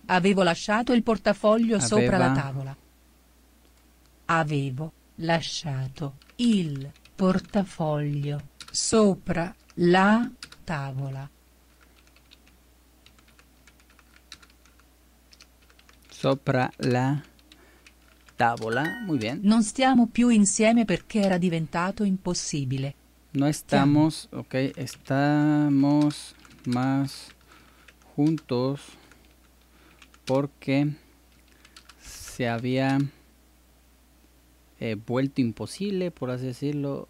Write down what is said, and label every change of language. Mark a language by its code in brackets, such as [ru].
[it] Avevo lasciato il portafoglio aveva... sopra la tavola. Avevo lasciato il portafoglio sopra la tavola. Sopra la tavola, [es] muy bien. [it] Non stiamo più insieme perché era diventato impossibile. [es] No estamos, ok, estamos más juntos porque se había vuelto imposible, por así decirlo.